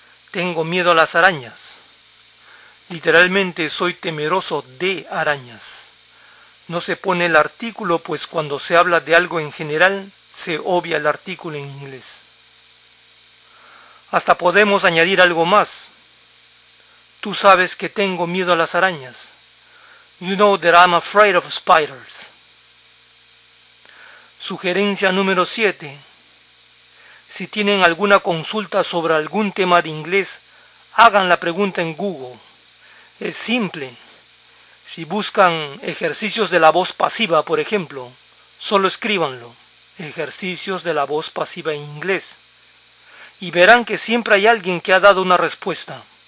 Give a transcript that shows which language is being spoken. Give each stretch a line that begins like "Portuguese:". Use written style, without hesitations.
Spanish: Tengo miedo a las arañas. Literalmente soy temeroso de arañas. No se pone el artículo, pues cuando se habla de algo en general, se obvia el artículo en inglés. Hasta podemos añadir algo más. Tú sabes que tengo miedo a las arañas.
English: You know that I'm afraid of spiders.
Spanish: Sugerencia número 7. Si tienen alguna consulta sobre algún tema de inglés, hagan la pregunta en Google. Es simple. Si buscan ejercicios de la voz pasiva, por ejemplo, solo escríbanlo. Ejercicios de la voz pasiva en inglés. Y verán que siempre hay alguien que ha dado una respuesta.